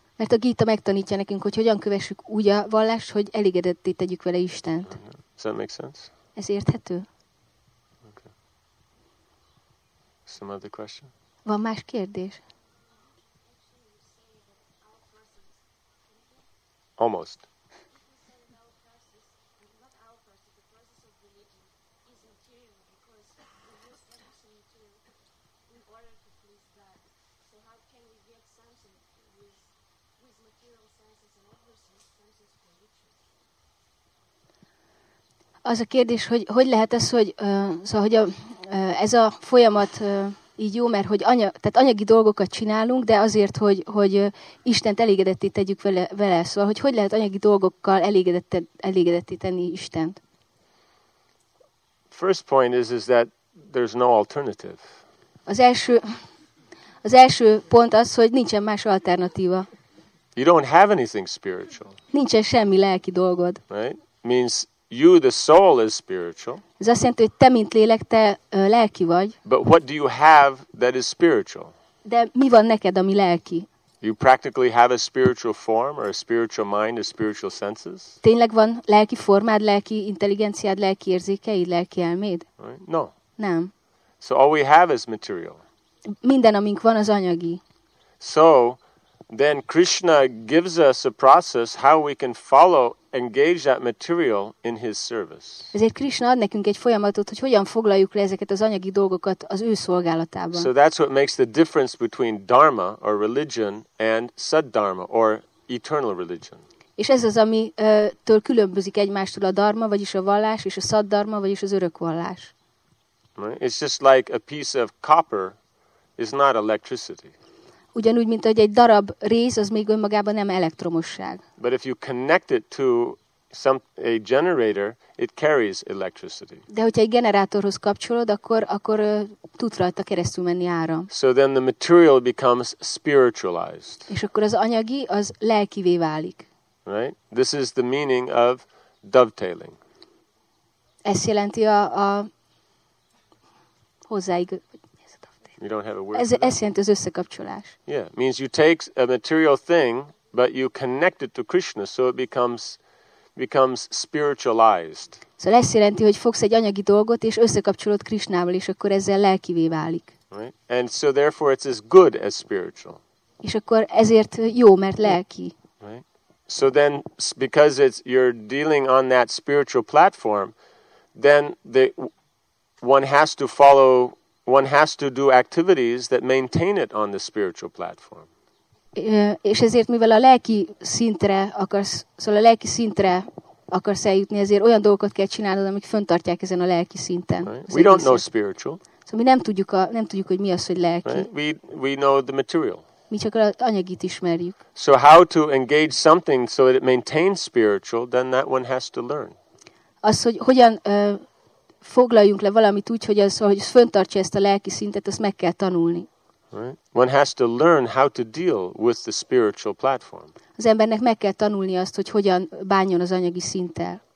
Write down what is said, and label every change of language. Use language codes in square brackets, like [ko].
[hu] Mert a Gita megtanítja nekünk, hogy hogyan kövessük úgy a vallást, hogy elégedetté tegyük vele Istent. [en] Does that make sense? [hu] Ez érthető? [en] Okay. Some other question? [hu] Van más kérdés? [en] Almost. [hu] Az a kérdés, hogy hogy lehet ez, hogy szóval, hogy ez a folyamat így jó, mert hogy tehát anyagi dolgokat csinálunk, de azért, hogy Istent elégedetté tegyük vele. Szóval, hogy lehet anyagi dolgokkal elégedetté tenni Istent? [en] First point is that there's no alternative. [hu] Az első pont az, hogy nincsen más alternatíva. [en] You don't have anything spiritual. [hu] Nincsen semmi lelki dolgod. [en] Right? Means you, the soul, is spiritual. [hu] Ez azt jelenti, hogy te, mint lélek, te lelki vagy. [en] But what do you have that is spiritual? [hu] De mi van neked, ami lelki? [en] You practically have a spiritual form or a spiritual mind, a spiritual senses? [hu] Tényleg van lelki formád, lelki intelligenciád, lelki érzékeid, lelki elméd? [en] Right? No. [hu] Nem. [en] So all we have is material. [hu] Minden, amink van, az anyagi. [en] So then Krishna gives us a process how we can follow, engage that material in his service. [hu] Ezért Krishna ad nekünk egy folyamatot, hogy hogyan foglaljuk le ezeket az anyagi dolgokat az ő szolgálatában. [en] So that's what makes the difference between dharma or religion and saddharma or eternal religion. [hu] És ez az, ami től különbözik egymástól a dharma, vagyis a vallás, és a saddharma, vagyis az örök vallás. [en] Right? It's just like a piece of copper is not electricity. [hu] Ugyanúgy, mint hogy egy darab rész, az még önmagában nem elektromosság. [en] But if you connect it to a generator, it carries electricity. [hu] De hogyha egy generátorhoz kapcsolod, akkor tud rajta keresztül menni áram. [en] So then the material becomes spiritualized. [hu] És akkor az anyagi, az lelkivé válik. [en] Right? This is the meaning of dovetailing. [hu] Ez jelenti a hozzáig. [en] You don't have a word. [hu] Ez jelenti az összekapcsolás. [en] Yeah, means you take a material thing, but you connect it to Krishna, so it becomes spiritualized. [hu] Szóval ez jelenti, hogy fogsz egy anyagi dolgot és összekapcsolod Krishnával, és akkor ezzel lelkivé válik. [en] Right? And so therefore it's as good as spiritual. [hu] És akkor ezért jó, mert lelki. [en] Right? So then because you're dealing on that spiritual platform, then one has to follow. One has to do activities that maintain it on the spiritual platform. [hu] És ezért, mivel a lelki szintre akarsz, szóval a lelki szintre akarsz eljutni, ezért olyan dolgokat kell csinálnod, amik fönntartják ezen a lelki szinten. [en] Right. We don't know spiritual. [hu] Szóval mi nem tudjuk, hogy mi az, hogy lelki. [en] Right. We know the material. [hu] Mi csak az anyagit ismerjük. [en] So how to engage something so that it maintains spiritual, then that one has to learn. [hu] Az, hogy hogyan foglaljunk le valamit úgy, hogy az, hogy fönntartsa ezt a lelki szintet, azt meg kell tanulni. [en] Right. One has to learn how to deal with the spiritual platform. [hu] Az embernek meg kell tanulni azt, hogy hogyan bánjon az anyagi szinttel.